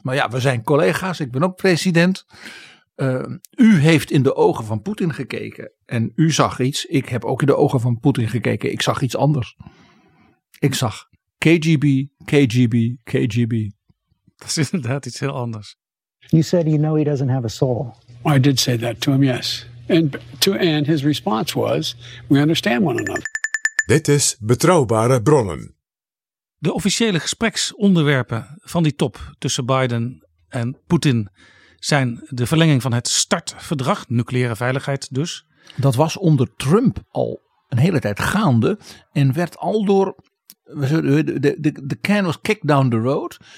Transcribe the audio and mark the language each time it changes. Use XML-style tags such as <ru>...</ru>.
<nl>Maar ja, we zijn collega's, ik ben ook president. U heeft in de ogen van Poetin gekeken en u zag iets. Ik heb ook in de ogen van Poetin gekeken, ik zag iets anders. Ik zag KGB, KGB, KGB. Dat is inderdaad iets heel anders.</nl> <en>You said you know he doesn't have a soul. I did say that to him, yes. And his response was, we understand one another.</en> <nl>Dit is Betrouwbare Bronnen. De officiële gespreksonderwerpen van die top tussen Biden en Poetin zijn de verlenging van het START-verdrag, nucleaire veiligheid dus. Dat was onder Trump al een hele tijd gaande en werd al door...</nl> <en>De can was kicked down the road.</en>